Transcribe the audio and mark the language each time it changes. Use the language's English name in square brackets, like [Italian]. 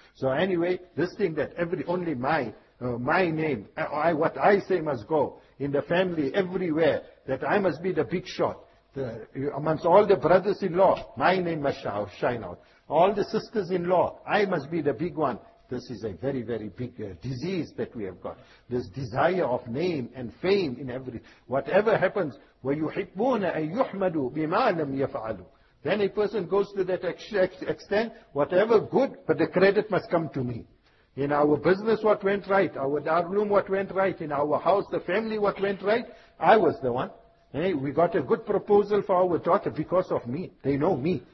[English] So anyway, this thing that only my name, what I say must go in the family everywhere, that I must be the big shot. Amongst all the brothers-in-law, my name must shine out. All the sisters-in-law, I must be the big one. This is a very, very big disease that we have got. This desire of name and fame in everything. Whatever happens, [Arabic] وَيُحِبُّونَ أَن يُحْمَدُوا بِمَا لَمْ يَفْعَلُوا. [English] Then a person goes to that extent, whatever good, but the credit must come to me. In our business what went right, our darloom what went right, in our house, the family what went right, I was the one. We got a good proposal for our daughter because of me. They know me.